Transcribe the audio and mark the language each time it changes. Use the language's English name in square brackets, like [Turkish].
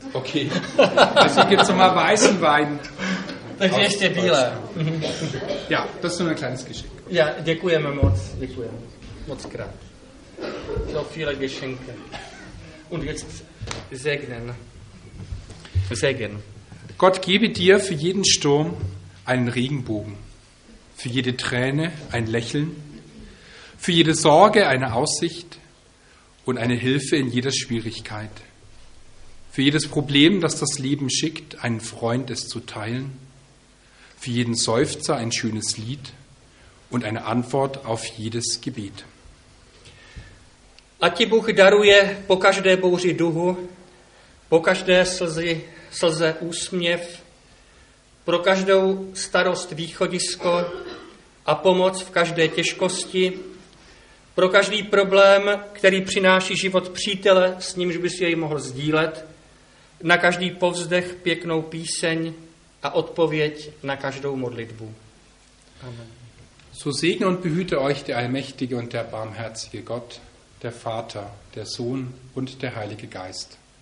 [German] Okay, also gibt es nochmal weißen Wein. Das ist echt der Bieler. Ja, das ist nur ein kleines Geschenk. [Czech] Ja, děkujeme moc, děkujeme. Moc krát. [German] So viele Geschenke. Und jetzt segnen. Segen. Gott gebe dir für jeden Sturm einen Regenbogen. Für jede Träne ein Lächeln, für jede Sorge eine Aussicht und eine Hilfe in jeder Schwierigkeit. Für jedes Problem, das das Leben schickt, einen Freund es zu teilen. Für jeden Seufzer ein schönes Lied und eine Antwort auf jedes Gebet. [Czech] Ať ti Bůh daruje po každé bouři duhu, po každé slze úsměv, pro každou starost východisko a pomoc v každé těžkosti, pro každý problém, který přináší život přítele, s nímž bys jej mohl sdílet, na každý povzdech pěknou píseň a odpověď na každou modlitbu. Amen. [German] So segne und behüte euch der allmächtige und der barmherzige Gott, der Vater, der Sohn und der Heilige Geist.